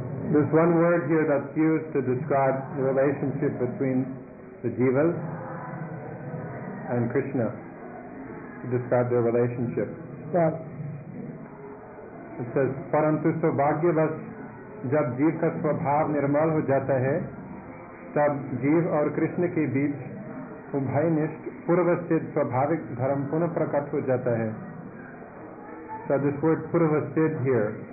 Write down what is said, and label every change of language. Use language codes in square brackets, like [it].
[en] There's one word here that's used to describe the relationship between the jivas and Krishna, to describe their relationship. Yeah. [hi] It says, परन्तु सौभाग्यवश जब जीव का स्वभाव निर्मल हो जाता है, तब जीव और कृष्ण के बीच उभय निष्ठ पूर्वस्थित स्वाभाविक धर्म पुनः प्रकट हो जाता है. [en] So this word purvasthit here,